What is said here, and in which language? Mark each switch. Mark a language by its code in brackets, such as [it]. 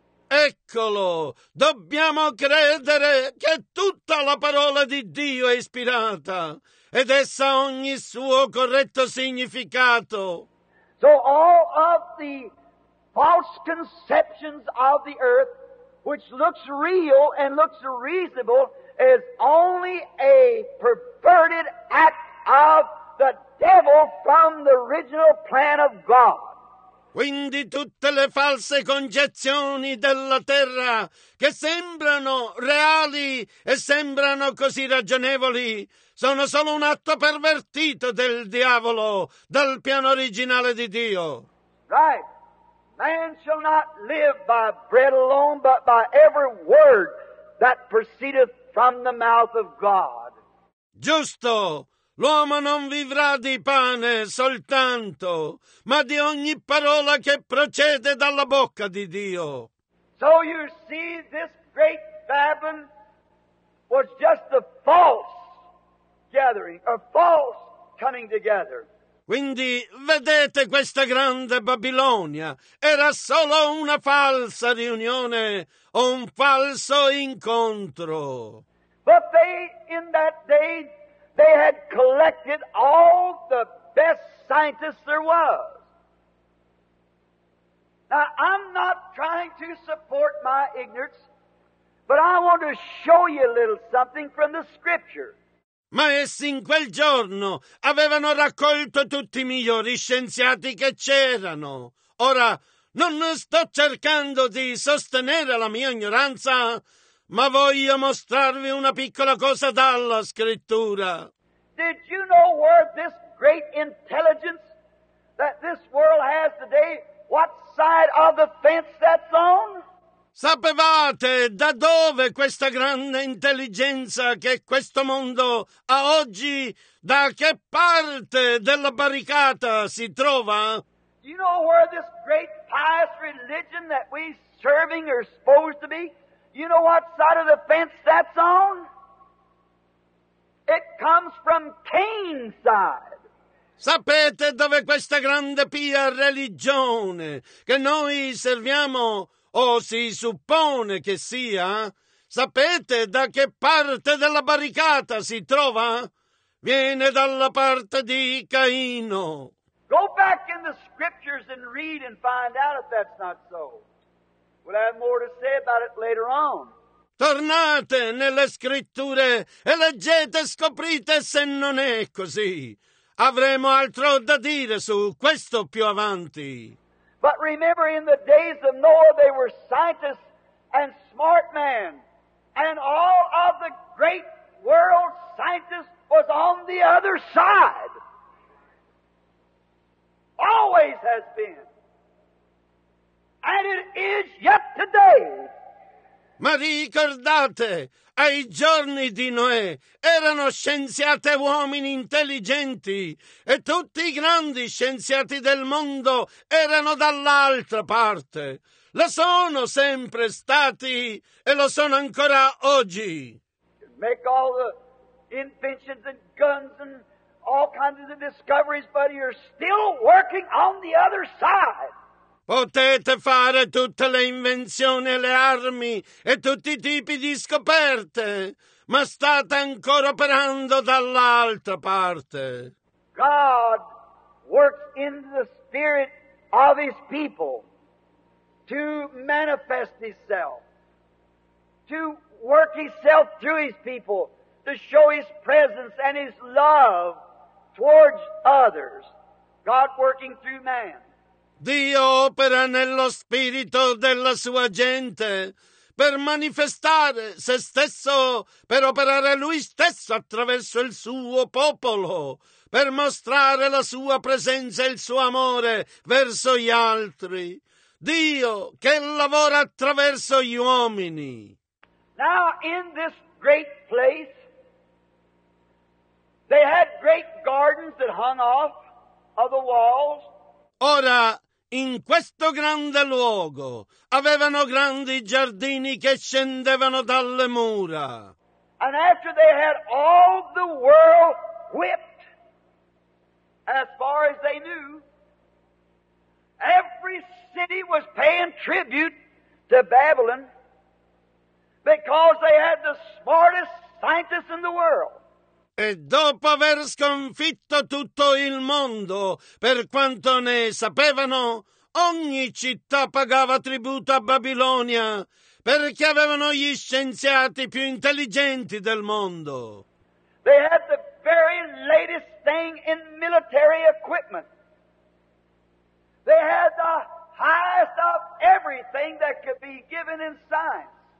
[it] Eccolo, dobbiamo credere che tutta la parola di Dio è ispirata ed essa ha ogni suo corretto significato. [en] So all of the false conceptions of the earth, which looks real and looks reasonable, is only a perverted act of the devil from the original plan of God. [it] Quindi tutte le false concezioni della terra che sembrano reali e sembrano così ragionevoli sono solo un atto pervertito del diavolo dal piano originale di Dio. [en] Right. Man shall not live by bread alone, but by every word that proceedeth from the mouth of God. [it] Giusto. L'uomo non vivrà di pane soltanto, ma di ogni parola che procede dalla bocca di Dio. [en] So you see, this great Babylon was just a false gathering, a false coming together. [it] Quindi, vedete, questa grande Babilonia era solo una falsa riunione o un falso incontro. [en] But they, in that day, they had collected all the best scientists there was. Now, I'm not trying to support my ignorance, but I want to show you a little something from the Scripture. [it] Ma essi in quel giorno avevano raccolto tutti i migliori scienziati che c'erano. Ora, non sto cercando di sostenere la mia ignoranza, ma voglio mostrarvi una piccola cosa dalla Scrittura. [en] Did you know where this great intelligence that this world has today, what side of the fence that's on? [it] Sapevate da dove questa grande intelligenza che questo mondo ha oggi, da che parte della barricata si trova? [en] Do you know where this great pious religion that we serving are supposed to be? You know what side of the fence that's on? It comes from Cain's side. [it] Sapete dove questa grande pia religione che noi serviamo o si suppone che sia? Sapete da che parte della barricata si trova? Viene dalla parte di Caino. [en] Go back in the scriptures and read and find out if that's not so. We'll have more to say about it later on. [it] Tornate nelle scritture e leggete e scoprite se non è così. Avremo altro da dire su questo più avanti. [en] But remember, in the days of Noah, they were scientists and smart men. And all of the great world scientists was on the other side. Always has been. And it is yet today. [it] Ma ricordate, ai giorni di Noè erano scienziati uomini intelligenti e tutti i grandi scienziati del mondo erano dall'altra parte. Lo sono sempre stati e lo sono ancora oggi. [en] Make all the inventions and guns and all kinds of discoveries, but you're still working on the other side. [it] Potete fare tutte le invenzioni e le armi e tutti i tipi di scoperte, ma state ancora operando dall'altra parte. [en] God works in the spirit of his people to manifest himself, to work himself through his people, to show his presence and his love towards others. God working through man. [it] Dio opera nello spirito della sua gente per manifestare se stesso, per operare lui stesso attraverso il suo popolo, per mostrare la sua presenza e il suo amore verso gli altri. Dio che lavora attraverso gli uomini. [en] Now in this great place, They had great gardens that hung off of the walls. [it] Ora, in questo grande luogo, avevano grandi giardini che scendevano dalle mura. [en] And after they had all the world whipped, as far as they knew, every city was paying tribute to Babylon because they had the smartest scientists in the world. [it] E dopo aver sconfitto tutto il mondo, per quanto ne sapevano, ogni città pagava tributo a Babilonia, perché avevano gli scienziati più intelligenti del mondo. [en] They had the very latest thing in military equipment. They had the highest of everything that could be given in science.